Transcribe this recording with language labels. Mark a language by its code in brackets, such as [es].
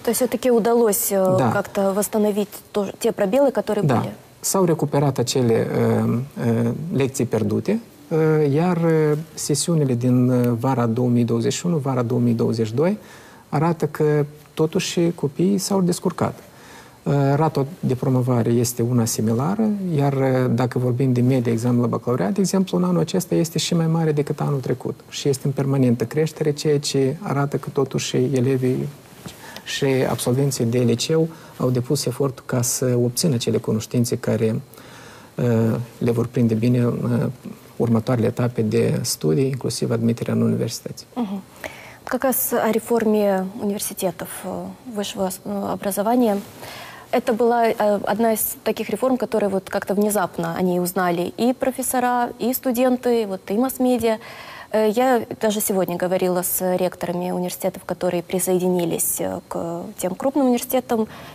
[ru] Все-таки удалось как-то восстановить те пробелы, которые были? Да. [ro] S-au recuperat acele lecții pierdute, iar sesiunile din vara 2021, vara 2022, arată că totuși copiii s-au descurcat. Rata de promovare este una similară, iar dacă vorbim de medie, examen la bacalaureat, de exemplu, în anul acesta este și mai mare decât anul trecut și este în permanentă creștere, ceea ce arată că totuși elevii și absolvenții de liceu au depus efort ca să obțină cele cunoștințe care le vor prinde bine în următoarele etape de studii, inclusiv admiterea în universități. [ru] Как раз о реформе университетов высшего образования. Это была одна из таких реформ, которые вот как-то внезапно они узнали и профессора, и студенты, вот и масс-медиа. Я даже сегодня говорила с ректорами университетов, которые присоединились к тем крупным университетам.